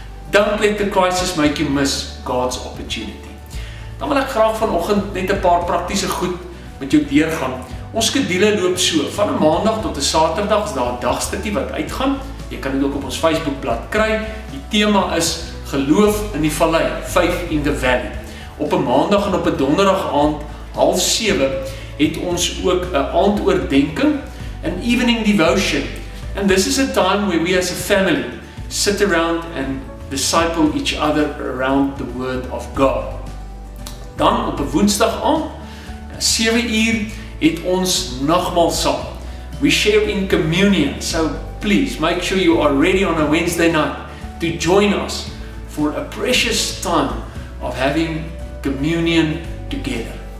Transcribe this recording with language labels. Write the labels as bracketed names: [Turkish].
[English] Don't let the crisis make you miss God's opportunity. [Afrikaans] Dan wil ek graag vanoggend net 'n paar praktiese goed met jou deurgaan. Ons skedule loop so, van 'n maandag tot 'n saterdag is daar 'n dagstukkie wat uitgaan. Jy kan dit ook op ons Facebookblad kry. Die thema is Geloof in die Vallei, [English] Faith in the Valley. [Afrikaans] Op een maandag en op een donderdag aand, 6:30, het ons ook een aand oordenking, [English] an evening devotion. And this is a time where we as a family sit around and disciple each other around the Word of God. [Afrikaans] Dan op een woensdag aand, 7:00, het ons nagmaal saam. [English] We share in communion, so please make sure you are ready on a Wednesday night to join us for a precious time of having communion together.